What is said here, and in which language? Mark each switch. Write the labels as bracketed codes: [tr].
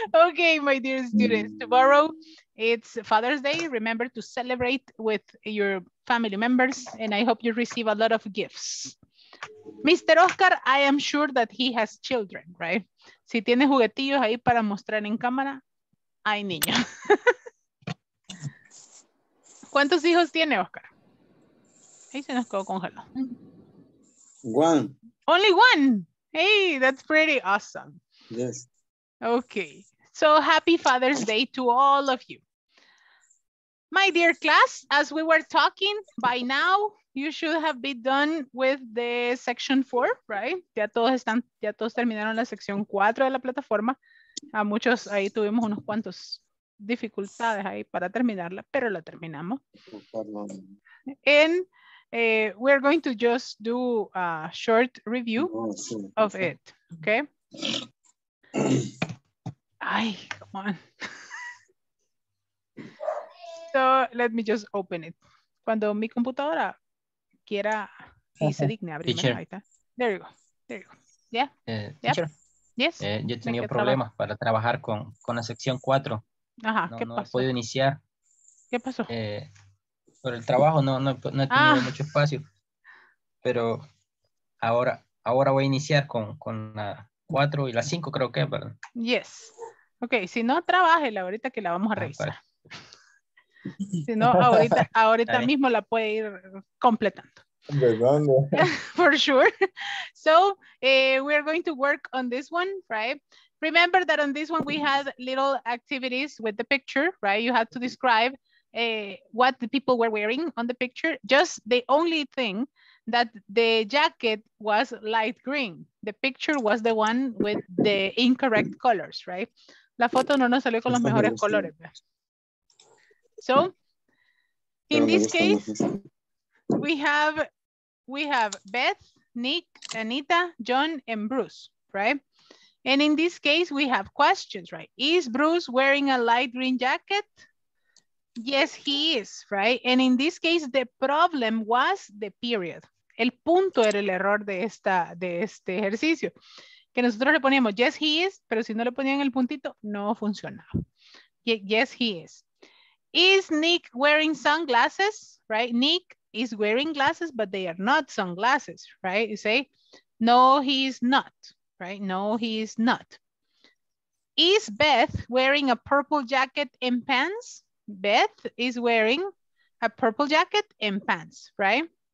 [en] Okay, my dear students, tomorrow it's Father's Day. Remember to celebrate with your family members, and I hope you receive a lot of gifts. Mr. Oscar, I am sure that he has children, right? [es] Si tiene juguetillos ahí para mostrar en cámara, hay niños. ¿Cuántos hijos tiene Oscar? Ahí se nos quedó congelado. [en] One. Only one. Hey, that's pretty awesome. Yes. Okay. So happy Father's Day to all of you. My dear class, as we were talking, by now, you should have been done with the section 4, right? [es] Ya todos terminaron la sección 4 de la plataforma. A muchos ahí tuvimos unos cuantos dificultades ahí para terminarla, pero la terminamos. [en] And we're going to just do a short review of it, okay? Ay, come on. So let me just open it. [es] Cuando mi computadora quiera y se digne abrir. [en] Teacher. There you go. Yeah. Teacher. Yes. [es] Yo he tenido problemas para trabajar con la sección 4. Ajá. No, ¿qué no pasó? He podido iniciar. ¿Qué pasó? Por el trabajo no he tenido mucho espacio. Pero ahora voy a iniciar con la 4 y la 5, creo que, perdón. [en] Yes. [es] Okay, si no, trabaje la ahorita que la vamos a revisar. Para. Si no, ahorita mismo la puede ir completando. [en] For sure. So, we're going to work on this one, right? Remember that on this one, we had little activities with the picture, right? You had to describe what the people were wearing on the picture. Just the only thing that the jacket was light green. The picture was the one with the incorrect colors, right? [es] La foto no nos salió con los mejores colores. [en] So, in this case, we have Beth, Nick, Anita, John, and Bruce, right? And in this case, we have questions, right? Is Bruce wearing a light green jacket? Yes, he is, right? And in this case, the problem was the period. [es] El punto era el error de este ejercicio. Que nosotros le poníamos, [en] yes, he is, [es] pero si no le ponían el puntito, no funcionaba. [en] Yes, he is. Is Nick wearing sunglasses, right? Nick is wearing glasses, but they are not sunglasses, right? You say, no, he is not, right? No, he is not. Is Beth wearing a purple jacket and pants? Beth is wearing a purple jacket and pants, right?